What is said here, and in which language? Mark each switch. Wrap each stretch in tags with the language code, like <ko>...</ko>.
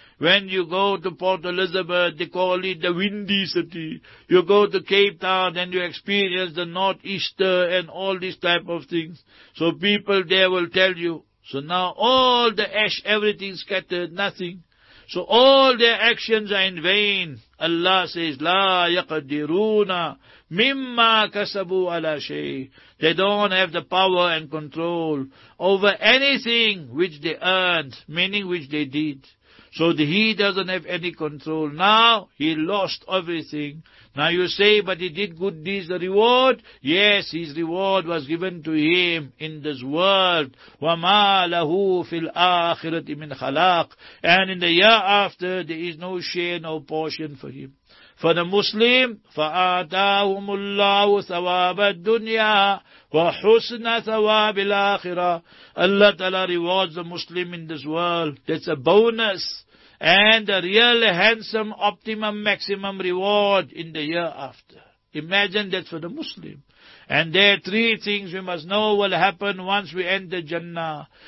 <en>When you go to Port Elizabeth, they call it the windy city. You go to Cape Town and you experience the northeaster and all these type of things. So people there will tell you. So now all the ash, everything scattered, nothing. So all their actions are in vain. Allah says,</en> <ar>لا يقدرون مما كسبوا على شيء.</ar> <en>They don't have the power and control over anything which they earned, meaning which they did. So he doesn't have any control. Now he lost everything. Now you say, but he did good deeds, the reward? Yes, his reward was given to him in this world.</en> <ar>وَمَا لَهُ فِي الْآخِرَةِ مِنْ خَلَاقٍ.</ar> <en>And in the year after, there is no share, no portion for him. For the Muslim,</en> <ar>فَآتَاهُمُ اللَّهُ ثَوَابَ الدُّنْيَا وَحُسْنَ ثَوَابِ الْآخِرَةِ.</ar> <en>Allah Ta'ala rewards the Muslim in this world. That's a bonus. And a real handsome, optimum, maximum reward in the year after. Imagine that for the Muslim. And there are three things we must know will happen once we enter Jannah.</en>